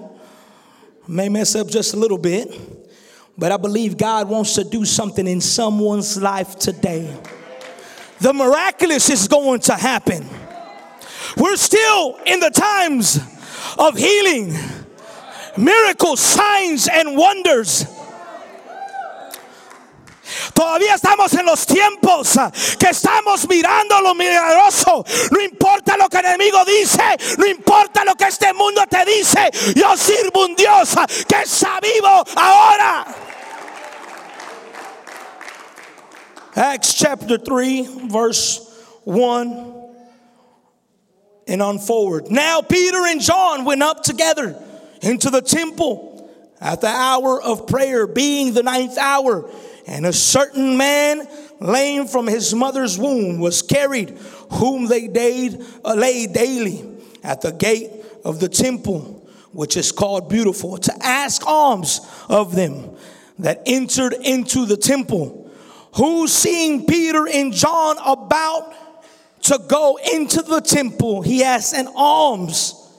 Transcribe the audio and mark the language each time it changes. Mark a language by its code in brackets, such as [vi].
[en] I may mess up just a little bit. But I believe God wants to do something in someone's life today. The miraculous is going to happen. We're still in the times of healing, miracles, signs, and wonders. [es] Todavía estamos en los tiempos que estamos mirando lo milagroso. No importa lo que el enemigo dice, no importa lo que este mundo te dice. Yo sirvo un Dios que está vivo ahora. [en] Acts chapter 3, verse 1 and on forward. Now Peter and John went up together into the temple at the hour of prayer, being the ninth hour. And a certain man, lame from his mother's womb, was carried, whom they laid daily at the gate of the temple, which is called Beautiful, to ask alms of them that entered into the temple, who, seeing Peter and John about to go into the temple, he asked an alms.